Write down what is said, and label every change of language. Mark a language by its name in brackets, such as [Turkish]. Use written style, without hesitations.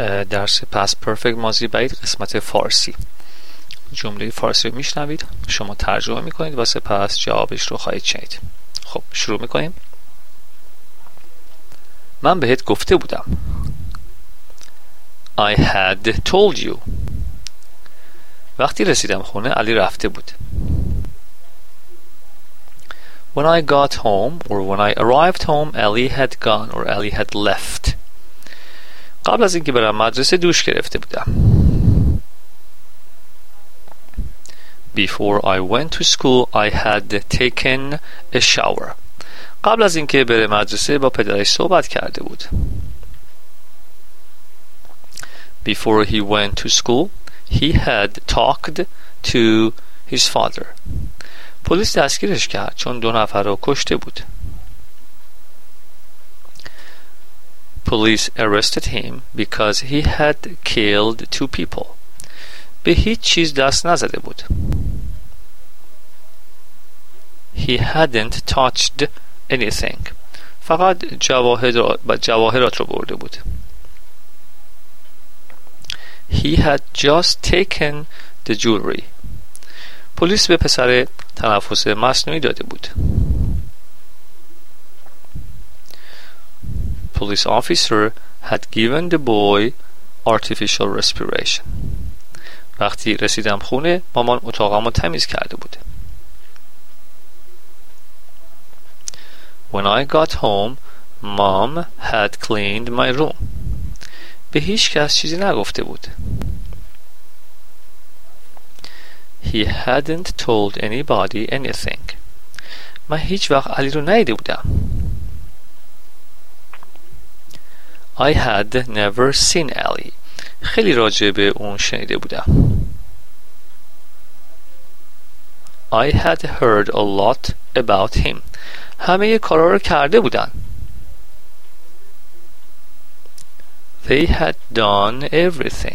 [Persian] درس پست پرفکت ماضی بعید قسمت فارسی. جمله فارسی رو میشنوید، شما ترجمه میکنید و سپس جوابش رو خواهید شنید. خب شروع میکنیم. من بهت گفته بودم. [English] I had told you. [Persian] وقتی رسیدم خونه علی رفته بود. [English] When I got home or when I arrived home Ali had gone or Ali had left. [Persian] قبل از اینکه برم مدرسه دوش گرفته بودم. [English] Before I went to school I had taken a shower. [Persian] قبل از اینکه بره مدرسه با پدرش صحبت کرده بود. [English] Before he went to school he had talked to his father. [Persian] پلیس دستگیرش کرد چون دو نفر رو کشته بود. [English] Police arrested him because he had killed two people. [Persian] به هیچ چیز دست نزده بود. [English] He hadn't touched anything. [Persian] فقط جواهرات رو برده بود. [English] He had just taken the jewelry. [Persian] پلیس به پسر تنفس مصنوعی داده بود. [English] Police officer had given the boy artificial respiration. [Persian] وقتی رسیدم خونه مامان اتاقمو تمیز کرده بود. [English] When I got home, mom had cleaned my room. [Persian] به هیچ کس چیزی نگفته بود. [English] He hadn't told anybody anything. [Persian] من هیچ وقت علی رو ندیده بودم. [English] I had never seen Ali. [Persian] خیلی راجع به اون شنیده بودم. [English] I had heard a lot about him. [Persian] همه یه کارا رو کرده بودن. [English] They had done everything.